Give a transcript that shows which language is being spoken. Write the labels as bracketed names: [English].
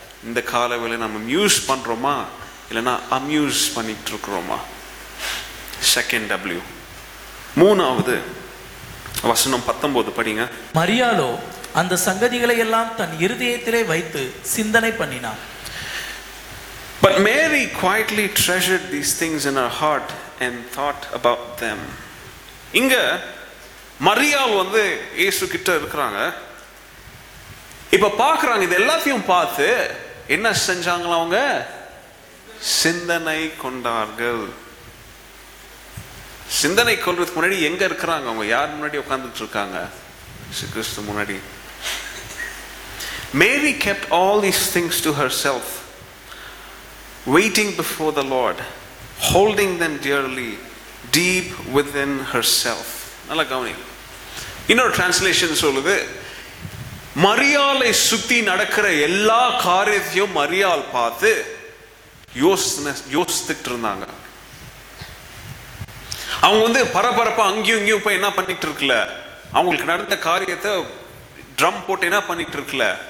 [Tamil] இந்த காலவேளை நம்ம மியூஸ் பண்ணுறோமா இல்லைன்னா அம்யூஸ் பண்ணிகிட்டு இருக்கிறோமா? [English] Second W. [Tamil] மூணாவது வசனம் 19 படிங்க. மரியாளோ அந்த சங்கதிகளை எல்லாம் தன் இருதயத்திலே வைத்து சிந்தனை பண்ணினார். [English] But Mary quietly treasured these things in her heart and thought about them. [Tamil] இங்க மரியாள் வந்து இயேசு கிட்ட இருக்கிறாங்க, இப்ப பாக்குறாங்க, இது எல்லாத்தையும் பார்த்து என்ன செஞ்சாங்களா, அவங்க சிந்தனை கொண்டார்கள். சிந்தனை கொள்றதுக்கு முன்னாடி எங்க இருக்கிறாங்க, அவங்க யார் முன்னாடி உட்கார்ந்துட்டு இருக்காங்க, இயேசு கிறிஸ்து முன்னாடி. [English] Mary kept all these things to herself, waiting before the Lord, holding them dearly deep within herself. [Tamil] நல்லா கவனி. இன்னொரு டிரான்ஸ்லேஷன் சொல்லுது, மரியாளை சுத்தி நடக்கிற எல்லா காரியத்தையும் மரியாள் பார்த்து யோசித்துட்டு இருந்தாங்க. அவங்க வந்து பரபரப்பா அங்கேயும் இங்கேயும் போய் என்ன பண்ணிட்டு இருக்கல, அவங்களுக்கு நடந்த காரியத்தை ட்ரம் போட்டு என்ன பண்ணிட்டு இருக்கல,